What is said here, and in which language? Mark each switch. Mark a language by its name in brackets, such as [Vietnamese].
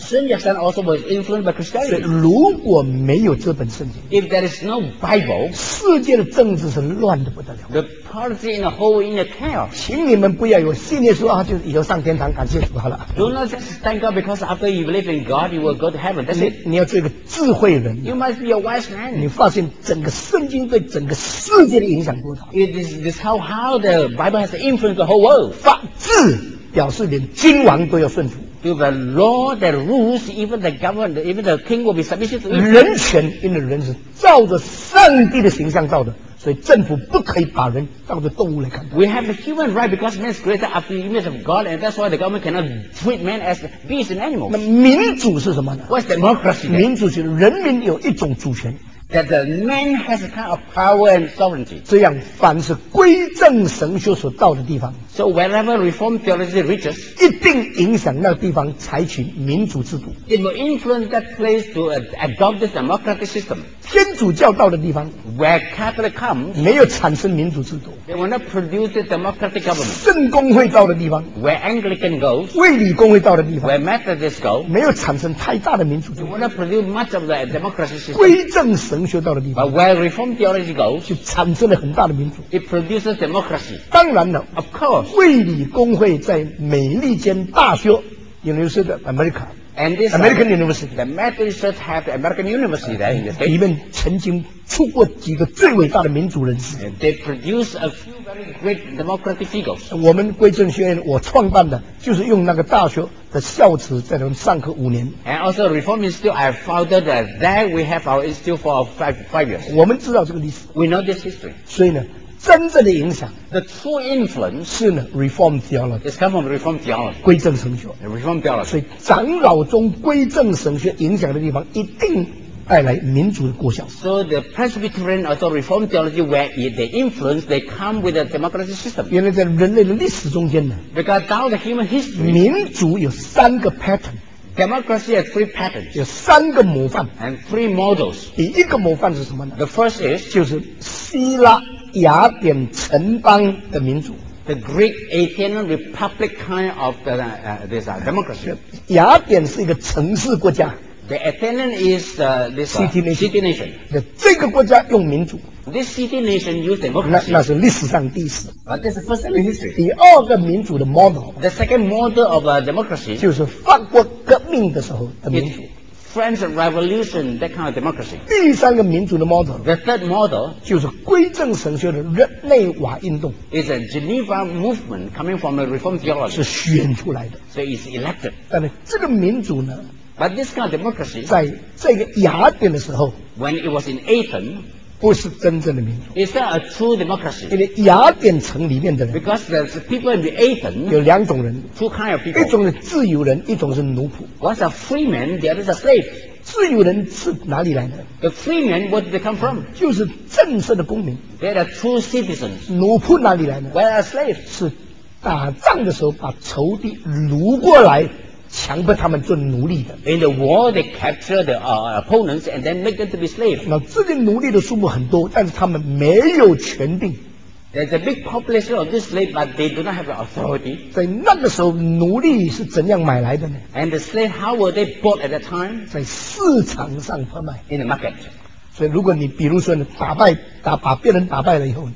[English] 圣经 then also was influenced by Christianity. [Chinese] 如果没有这本圣经 [English] ，if there is no Bible， [Chinese] 世界的政治是乱得不得了。 [English] The policy in the whole in the chaos。 [Chinese] 请你们不要有信念说啊，就以后上天堂感谢主好了。 [English] Do not just thank God because after you believe in God, you will go to heaven. That's it. [Chinese] 你要做一个智慧人。 [English] You must be a wise man. [Chinese] 你发现整个圣经对整个世界的影响多少 [English] ？It is how the Bible has influenced the whole world. [Chinese] 法治。表示连君王都要顺服。 [English] To the law that rules, even the governor, even the king will be submissive to it. [Chinese] 人权，因为人是照着上帝的形象造的，所以政府不可以把人当作动物来看待。 [English] We have the human right because man is created after the image of God, and that's why the government cannot treat man as beasts and animals. [Chinese] 那民主是什么呢 [English] ？What's democracy? [Chinese] 民主是人民有一种主权。 [English] That the man has a kind of power and sovereignty. [Chinese] 这样，凡是归正神学所到的地方 [English] ，So wherever reform theology reaches， [Chinese] 一定影响那个地方采取民主制度。 [English] It will influence that place to adopt this democratic system. [Chinese] 天主教到的地方 [English] ，Where Catholic comes， [Chinese] 没有产生民主制度。 [English] They will not produce a democratic government. [Chinese] 圣公会到的地方 [English] ，Where Anglican goes， [Chinese] 卫理公会到的地方 [English] ，Where Methodist goes， [Chinese] 没有产生太大的民主制度。 [English] They will not produce much of the democracy system. [Chinese] 归正神神学到的地方 [English] ，But where reform theology goes， [Chinese] 就产生了很大的民主。 [English] It produces democracy。 [Chinese] 当然了 [English] ，Of course， [Chinese] 卫理公会在美利坚大学 University of America， [English] and this American University， the Methodist Church have the American University there in the state。 [Chinese] 里面曾经出过几个最伟大的民主人士。 [English] They produce a few very great democratic figures。 [Chinese] 我们归正学院我创办的就是用那个大学。的校址在那上课五年 [English] ，and also Reform Institute I founded that we have our institute for five years。 [Chinese] 我们知道这个历史 [English] ，we know this history。 [Chinese] 所以呢，真正的影响 [English] ，the true influence [Chinese] 是呢 Reform theology。 [English] It's come from Reform theology。 [Chinese] 归正神学 [English] ，Reform theology。 [Chinese] 所以长老中归正神学影响的地方，一定带来民主的果效。 [English] So the Presbyterian also Reform theology where the influence they come with a democracy system。 [Chinese] 原来在人类的历史中间呢 [English] ，because down the human history， [Chinese] 民主有三个 pattern。 [English] Democracy has three patterns， [Chinese] 有三个模范 [English] ，and three models。 [Chinese] 第一个模范是什么呢 [English] ？The first is [Chinese] 就是希腊雅典城邦的民主。 [English] The Greek Athenian Republic kind of the democracy。 [Chinese] 雅典是一个城市国家。 [English] The Athenian is the city nation. [Chinese] 那这个国家用民主。 [English] This city nation used democracy. [Chinese] 那是历史上第一次。 [English] But this is the first time in history. [Chinese] 第二个民主的 model. [English] The second model of democracy. [Chinese] 就是法国革命的时候的民主。 [English] French Revolution, that kind of democracy. [Chinese] 第三个民主的 model. [English] The third model. [Chinese] 就是归正神学的日内瓦运动。 [English] Is a Geneva movement coming from a reform theology. [Chinese] 是选出来的。 [English] So it's elected. [Chinese] 但是这个民主呢？ [English] But this kind of democracy, [Chinese] 在这个雅典的时候 [English] ，when it was in Athens, [Chinese] 不是真正的民主。 [English] It's not a true democracy. [Chinese] 因为雅典城里面的人 [English] ，because there's people in the Athens, [Chinese] 有两种人 [English] ，two kind of people. [Chinese] 一种是自由人，一种是奴仆。 [English] One's a free man, the other's a slave. [Chinese] 自由人是哪里来的 [English] ？The free man, where did they come from? [Chinese] 就是正式的公民。 [English] They are true citizens. [Chinese] 奴仆哪里来的 [English] ？Where are slaves? [Chinese] 是打仗的时候把仇敌掳过来。强迫他们做奴隶的。 [English] In the war, they capture the opponents and then make them to be slaves. [Chinese] 那这些奴隶的数目很多，但是他们没有权柄。 [English] There's a big population of these slaves, but they do not have the authority. [Chinese] 在那个时候，奴隶是怎样买来的呢 [English] ？And the slave, how were they bought at that time? [Chinese] 在市场上拍卖。 [English] In the market. [Chinese] 所以，如果你比如说你把别人打败了以后